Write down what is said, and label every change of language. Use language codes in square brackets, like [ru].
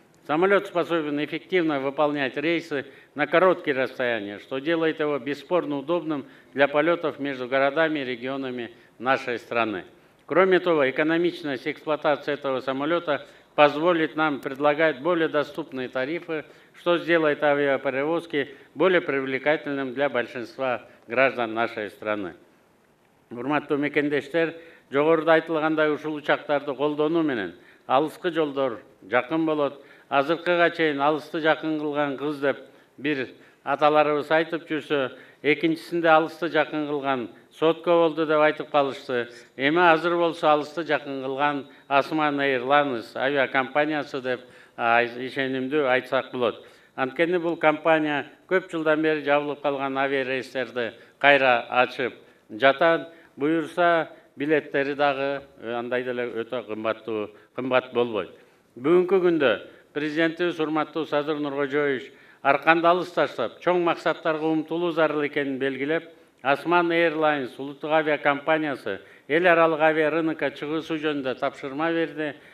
[ru] Самолет способен эффективно выполнять рейсы на короткие расстояния, что делает его бесспорно удобным для полетов между городами и регионами нашей страны. Кроме того, экономичность эксплуатации этого самолета позволит нам предлагать более доступные тарифы, что сделает авиаперевозки более привлекательным для большинства граждан нашей страны. [ky] Урматту мекендештер, жогоруда айтылгандай ушул учактарды колдонуу менен алыскы жолдор жакын болот. Азыркыга чейин алысты жакын кылган кыз деп бир аталарыбыз айтып жүрсө, экинчисинде алысты жакын кылган сотко болду деп айтып калышты. Эми азыр болсо алысты жакын кылган Осман Airlines авиакомпаниясы деп ишенимдүү айтсак болот. Анткени бул компания көп жылдан бери жабылып калган авиарейстерди кайра ачып жатат. Буюрса билеттери дагы андай деле өтө кымбат болбойт. Бүгүнкү күндө президентибиз урматтуу Садыр Нургожоевич арканды алыс таштап, чоң максаттарга умтулуу зарыл экенин белгилеп, Осман Airlines улуттук авиакомпаниясы эл аралык авиа рынокко чыгуусу жөнүндө тапшырма берди.